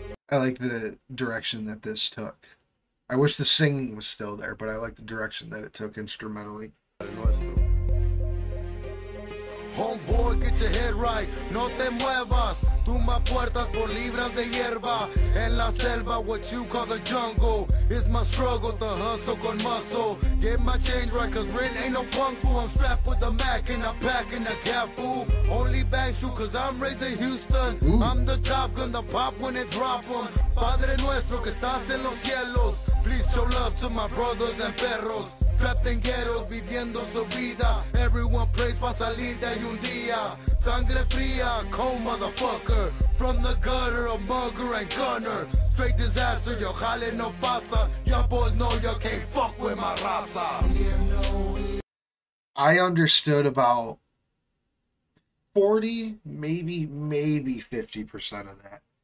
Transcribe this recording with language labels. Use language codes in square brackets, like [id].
[en] I like the direction that this took. I wish the singing was still there, but I like the direction that it took instrumentally. Homeboy, get your head right. [es] No te muevas. Tumba puertas por libras de hierba. En la selva, [en] what you call the jungle. It's my struggle to hustle [es] con muscle. [en] Get my change right, cause rent ain't no punk fool. I'm strapped with a Mac and I'm packing a cap fool. Only bang shoot cause I'm raised in Houston. Ooh. I'm the top gun, the pop when it drop em. [es] Padre nuestro que estás en los cielos. [en] Please show love to my brothers and perros. Trapped in ghettos, [es] viviendo su vida. [en] Everyone prays [es] pa' salir de un día. Sangre fría, [en] cold motherfucker. From the gutter, a mugger and gunner. Straight disaster, [es] yo jale no pasa. [en] Y'all boys know y'all can't fuck with my raza. I understood about 40, maybe 50% of that.